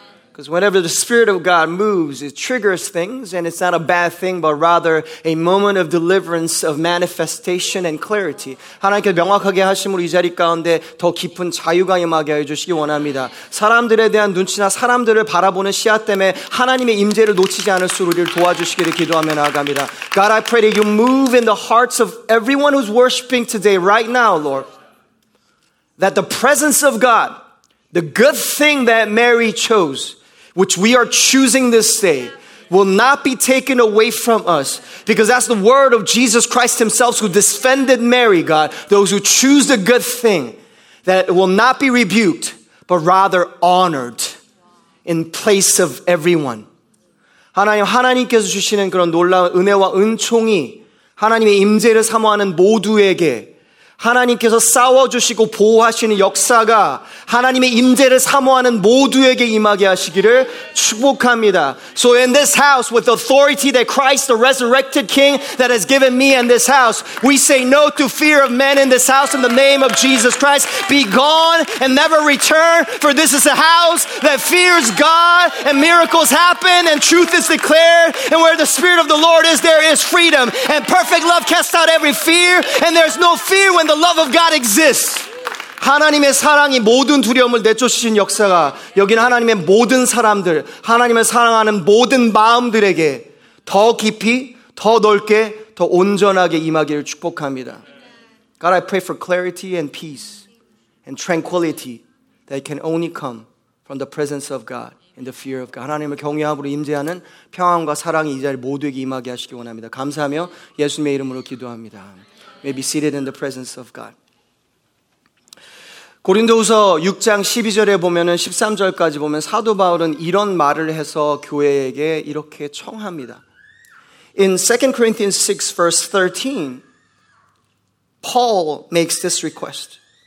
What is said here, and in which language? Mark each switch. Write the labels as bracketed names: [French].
[English] Because whenever the Spirit of God moves, it triggers things, and it's not a bad thing, but rather a moment of deliverance, of manifestation and clarity. [Korean] 하나님께 명확하게 하심으로 이 자리 가운데 더 깊은 자유가 임하게 해주시기 원합니다. 사람들에 대한 눈치나 사람들을 바라보는 시야 때문에 하나님의 임재를 놓치지 않을 수 우리를 도와주시기를 기도하며 나아갑니다. [English] God, I pray that you move in the hearts of everyone who's worshiping today, right now, Lord. That the presence of God, the good thing that Mary chose, which we are choosing this day, will not be taken away from us. Because that's the word of Jesus Christ himself who defended Mary, God. Those who choose the good thing that will not be rebuked, but rather honored in place of everyone. [Korean] 하나님께서 주시는 그런 놀라운 은혜와 은총이 하나님의 임재를 사모하는 모두에게 하나님께서 싸워주시고 보호하시는 역사가 하나님의 임재를 사모하는 모두에게 임하게 하시기를 축복합니다. [English] So in this house, with the authority that Christ, the resurrected King, that has given me in this house, we say no to fear of men in this house in the name of Jesus Christ. Be gone and never return, for this is a house that fears God, and miracles happen, and truth is declared, and where the Spirit of the Lord is, there is freedom, and perfect love casts out every fear, and there's no fear when the love of God exists. [Korean] 하나님의 사랑이 모든 두려움을 내쫓으신 역사가 여기는 하나님의 모든 사람들, 하나님을 사랑하는 모든 마음들에게 더 깊이, 더 넓게, 더 온전하게 임하기를 축복합니다. [English] God, I pray for clarity and peace and tranquility that can only come from the presence of God and the fear of God. [Korean] 하나님을 경외함으로 임재하는 평안과 사랑이 이 자리 모두에게 임하게 하시기 원합니다. 감사하며 예수님의 이름으로 기도합니다. [English] May be seated in the presence of God. [Korean] 고린도후서 6장 12절에 보면은 13절까지 보면 사도 바울은 이런 말을 해서 교회에게 이렇게 청합니다. [English] In 2 Corinthians 6 verse 13, Paul makes this request.